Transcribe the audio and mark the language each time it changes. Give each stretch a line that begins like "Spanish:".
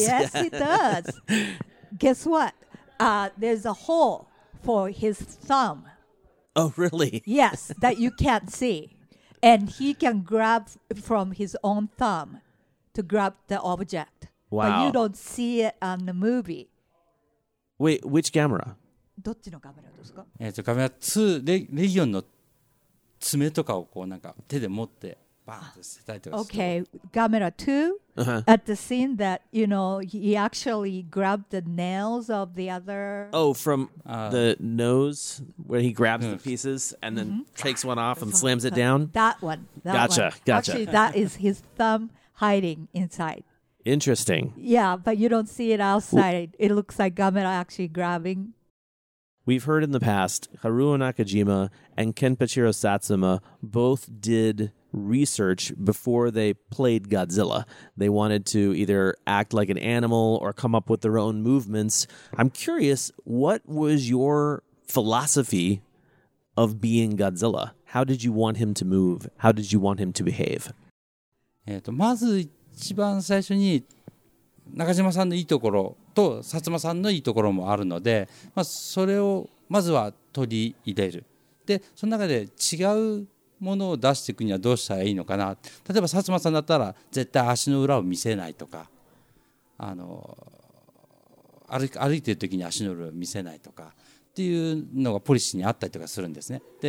English: Yes, yeah. it does. Guess what? There's a hole for his thumb. Oh, really? Yes, that you can't see. And he can grab from his own thumb to grab the object. Wow. But you don't see it on the movie. Wait, which camera?
Japanese: どっちのカメラですか？カメラ2、レギオンの爪とかをこうなんか手で持ってバーンと捨てたりとかする。
English: Okay, camera 2, uh-huh. at the scene that, you know, he actually grabbed the nails of the other... Oh, from the nose, where he grabs the pieces and then takes one off and slams it down? That one. Gotcha. Actually, that is his thumb hiding inside. Interesting. Yeah, but you don't see it outside. Well, it looks like Gamera actually grabbing. We've heard in the past, Haruo Nakajima and Kenpachiro Satsuma both did research before they played Godzilla. They wanted to either act like an animal or come up with their own movements. I'm curious, what was your philosophy of being Godzilla? How did you want him to move? How did you want him to behave?
Japanese: まず一番最初に中島さんのいいところと薩摩さんのいいところもあるので、まあ、それをまずは取り入れる。でその中で違うものを出していくにはどうしたらいいのかな。例えば薩摩さんだったら絶対足の裏を見せないとか、あの 歩いてる時に足の裏を見せないとかっていうのがポリシーにあったりとかするんですね。